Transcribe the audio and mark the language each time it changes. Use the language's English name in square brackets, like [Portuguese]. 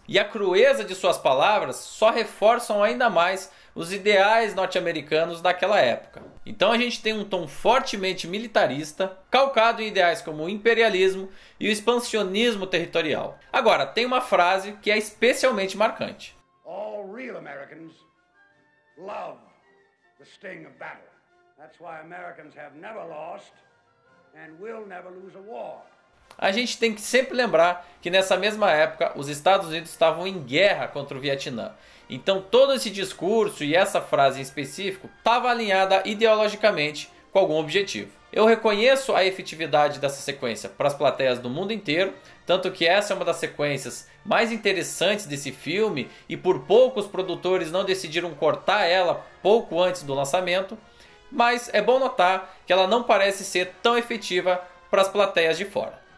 [Portuguese] E a crueza de suas palavras só reforçam ainda mais os ideais norte-americanos daquela época. Então a gente tem um tom fortemente militarista, calcado em ideais como o imperialismo e o expansionismo territorial. Agora, tem uma frase que é especialmente marcante. [English] All real Americans love the sting of battle. That's why Americans have never lost and will never lose a war. [Portuguese] A gente tem que sempre lembrar que nessa mesma época os Estados Unidos estavam em guerra contra o Vietnã. Então todo esse discurso e essa frase em específico estava alinhada ideologicamente com algum objetivo. Eu reconheço a efetividade dessa sequência para as plateias do mundo inteiro, tanto que essa é uma das sequências mais interessantes desse filme e por pouco os produtores não decidiram cortar ela pouco antes do lançamento, mas é bom notar que ela não parece ser tão efetiva para as plateias de fora.